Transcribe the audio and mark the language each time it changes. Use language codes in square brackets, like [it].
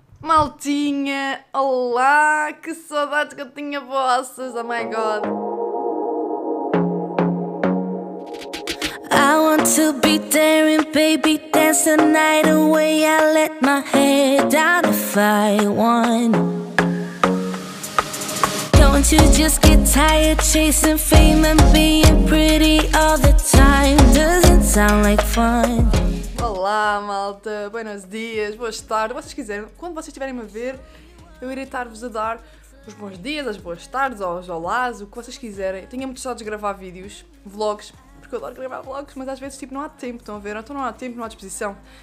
[pt] Maltinha, olá, que saudades que eu tinha vossas, [en] oh my god. I want to be there and baby dance the night away. I let my head down if I want. Don't you just get tired chasing fame and being pretty all the time? Doesn't sound like fun. [pt] Olá, malta, [es] buenos dias, [pt] boas tardes, vocês quiserem, quando vocês estiverem a ver, eu irei estar-vos a dar os bons dias, as boas tardes, aos olás, o que vocês quiserem. Tenho muito saudades de gravar vídeos, vlogs, porque eu adoro gravar vlogs, mas às vezes tipo não há tempo, estão a ver? Então não há tempo, não há disposição.